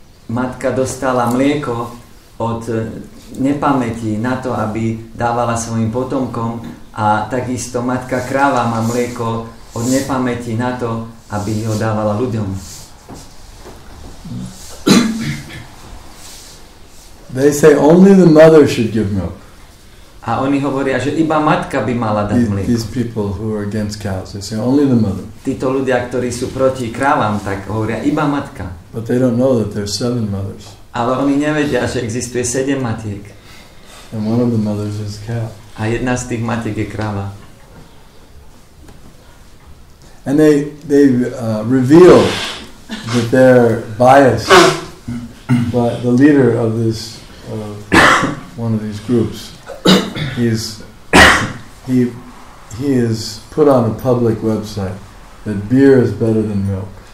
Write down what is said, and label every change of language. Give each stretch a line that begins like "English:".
Slovak: Matka dostala mlieko od nepamäti na to, aby dávala svojim potomkom, a takisto matka kráva má mlieko od nepamäti na to, aby ho dávala ľuďom.
English: They say only the mother should give milk.
Slovak: A oni hovoria, že iba matka by mala dať mlieko.
English: These people who are against cows, they say only the mother.
Slovak: Títo ľudia, ktorí sú proti krávam, tak hovoria iba matka.
English: But they don't know that there are 7 mothers.
Slovak: Ale oni nevedia, že existuje 7 matiek.
English: And one of the mothers is cow.
Slovak: A jedna z tých matiek je kráva.
English: And they reveal that they're biased by the leader of this one of these groups. He is put on a public website that beer is better than milk.